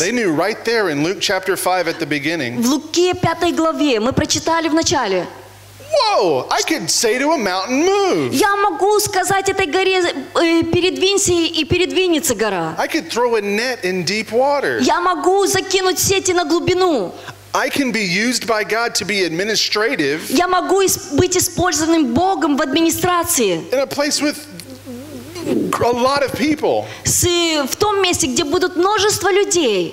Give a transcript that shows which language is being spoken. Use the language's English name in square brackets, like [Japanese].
[English] They knew right there in Luke chapter 5 at the beginning. [Russian] В Луке 5 главе мы прочитали в начале. [English] Whoa! I could say to a mountain, move. [Russian] Я могу сказать этой горе передвинься и передвинется гора. [English] I could throw a net in deep water. [Russian] Я могу закинуть сети на глубину. [English] I can be used by God to be administrative. [Russian] Я могу быть использованным Богом в администрации. [English] In a place with a lot of people. [Russian] В том месте, где будут множество людей.